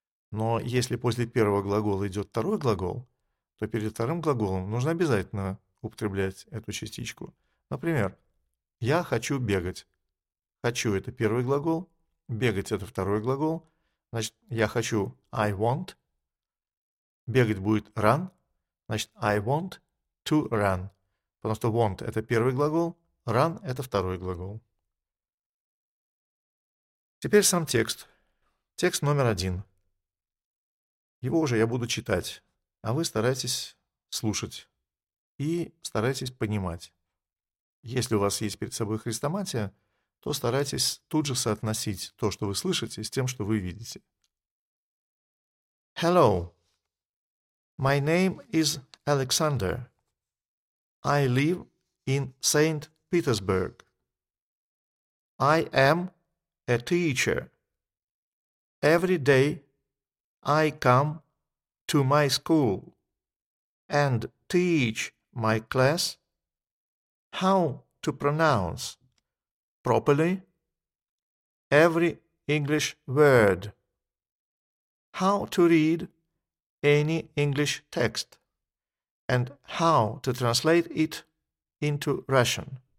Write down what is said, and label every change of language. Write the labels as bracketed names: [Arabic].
[Russian] Но если после первого глагола идет второй глагол, то перед вторым глаголом нужно обязательно употреблять эту частичку. Например, я хочу бегать. Хочу – это первый глагол, бегать – это второй глагол. Значит, я хочу – [English] I want. [Russian] Бегать будет run. Значит, [English] I want to run. [Russian] Потому что want – это первый глагол, run – это второй глагол. Теперь сам текст. Текст номер один. Его уже я буду читать, а вы старайтесь слушать и старайтесь понимать. Если у вас есть перед собой хрестоматия, то старайтесь тут же соотносить то, что вы слышите, с тем, что вы видите. [English] Hello, my name is Alexander. I live in St. Petersburg. I am a teacher. Every day I come to my school and teach my class how to pronounce properly every English word, how to read any English text, and how to translate it into Russian.